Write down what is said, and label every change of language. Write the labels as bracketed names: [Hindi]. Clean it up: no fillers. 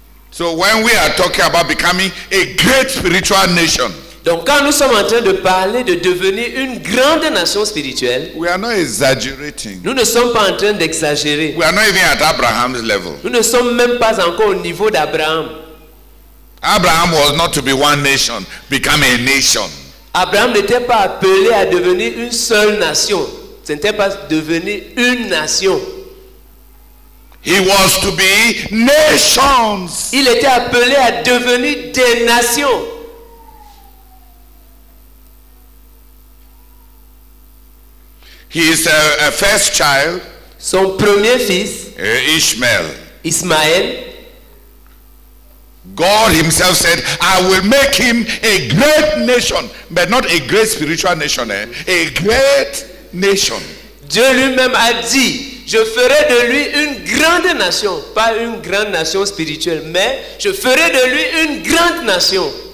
[English] So when we are talking about becoming a great spiritual nation, [French] donc quand nous sommes en train de parler de devenir une grande nation spirituelle, [English] we are not exaggerating. [French] Nous ne sommes pas en train d'exagérer. [English] We are not even at Abraham's level. [French] Nous ne sommes même pas encore au niveau d'Abraham. [English] Abraham was not to be one nation, become a nation. [French] Abraham n'était pas appelé à devenir une seule nation. Ce n'était pas devenir une nation. [English] He was to be nations. [French] Il était appelé à devenir des nations. [English] He is a first child. [French] Son premier fils. [English] Ishmael. [French] Ismaël. [English] God himself said, I will make him a great nation, but not a great spiritual nation, a great nation. [French] Dieu lui-même a dit, je ferai de lui une grande nation, pas une grande nation spirituelle, mais je ferai de lui une grande nation.